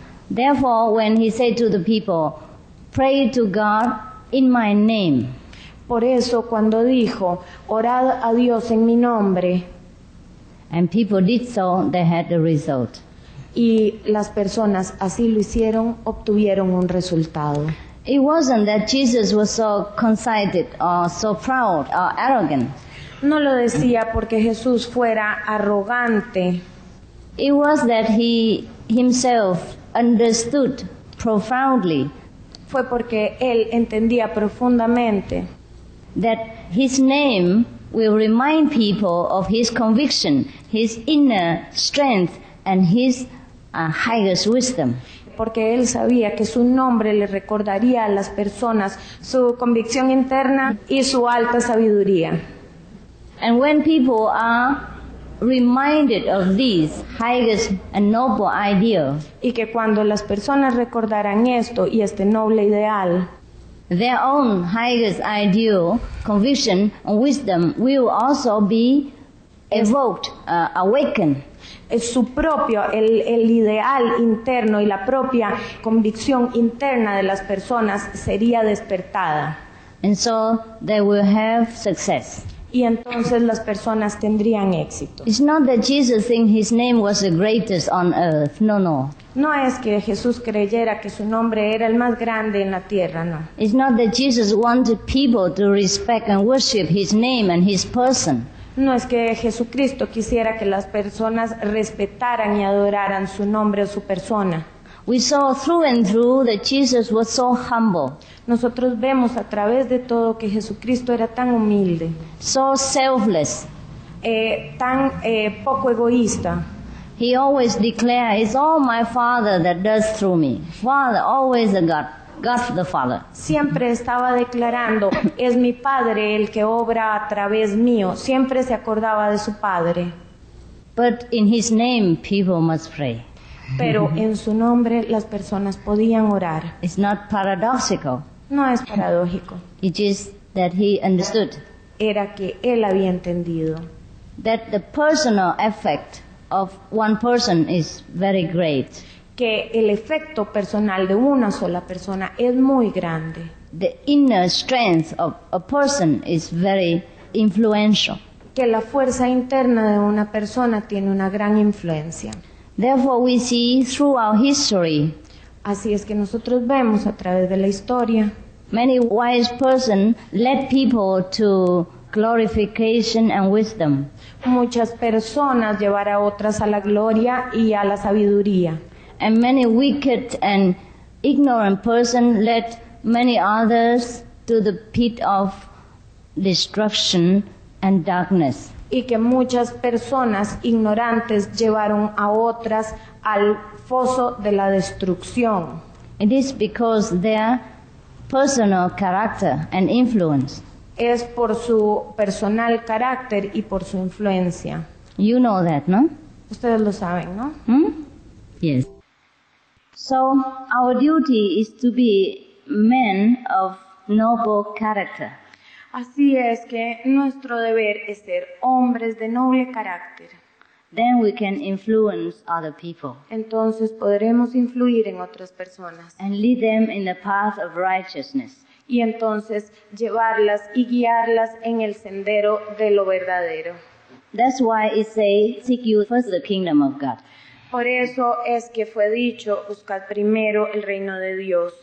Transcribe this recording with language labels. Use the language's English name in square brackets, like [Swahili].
[English] Therefore, when he said to the people, pray to God in my name. [Spanish] Por eso, cuando dijo, orad a Dios en mi nombre. [English] And people did so, they had a result. [Spanish] Y las personas así lo hicieron, obtuvieron un resultado. [English] It wasn't that Jesus was so conceited or so proud or arrogant. [Spanish] No lo decía porque Jesús fuera arrogante. [English] It was that he himself understood profoundly. [Spanish] Fue porque él entendía profundamente. [English] That his name will remind people of his conviction, his inner strength, and his highest wisdom. [Spanish] Porque él sabía que su nombre le recordaría a las personas su convicción interna y su alta sabiduría. [English] And when people are reminded of these highest and noble ideal, [Spanish] y que cuando las personas recordaran esto y este noble ideal, [English] their own highest ideal, conviction, and wisdom will also be evoked, awakened. [Spanish] Su propio, el ideal interno y la propia convicción interna de las personas sería despertada. [English] And so they will have success. [Spanish] Y entonces las personas tendrían éxito. [English] It's not that Jesus think his name was the greatest on earth. [Spanish] No, no. No es que Jesús creyera que su nombre era el más grande en la tierra, no. [English] It's not that Jesus wanted people to respect and worship his name and his person. [Spanish] No es que Jesucristo quisiera que las personas respetaran y adoraran su nombre o su persona. [English] We saw through and through that Jesus was so humble. [Spanish] Nosotros vemos a través de todo que Jesucristo era tan humilde. [English] So selfless. [Spanish] Poco egoísta. [English] He always declared, it's all my Father that does through me. Father, always a God. God the Father. [Spanish] Siempre estaba declarando, es mi Padre el que obra a través mío. Siempre se acordaba de su Padre. [English] But in his name people must pray. [Spanish] Pero en su nombre las personas podían orar. [English] It's not paradoxical. [Spanish] No es paradójico. [English] It is that he understood. [Spanish] Era que él había entendido. [English] That the personal effect of one person is very great. [Spanish] Que el efecto personal de una sola persona es muy grande. [English] The inner strength of a person is very influential. [Spanish] Que la fuerza interna de una persona tiene una gran influencia. [English] Therefore we see throughout history, [Spanish] así es que nosotros vemos a través de la historia, [English] many wise persons led people to glorification and wisdom. [Spanish] Muchas personas llevar a otras a la gloria y a la sabiduría. [English] And many wicked and ignorant persons led many others to the pit of destruction and darkness. [Spanish] Y que muchas personas ignorantes llevaron a otras al foso de la destrucción. [English] It is because their personal character and influence. [Spanish] Es por su personal carácter y por su influencia. [English] You know that, no? [Spanish] Ustedes lo saben, ¿no? [English] Hmm? Yes. So our duty is to be men of noble character. [Spanish] Así es que nuestro deber es ser hombres de noble carácter. [English] Then we can influence other people. [Spanish] Entonces podremos influir en otras personas. [English] And lead them in the path of righteousness. [Spanish] Y entonces llevarlas y guiarlas en el sendero de lo verdadero. [English] That's why it says, seek you first the kingdom of God. [Spanish] Por eso es que fue dicho, buscad primero el reino de Dios.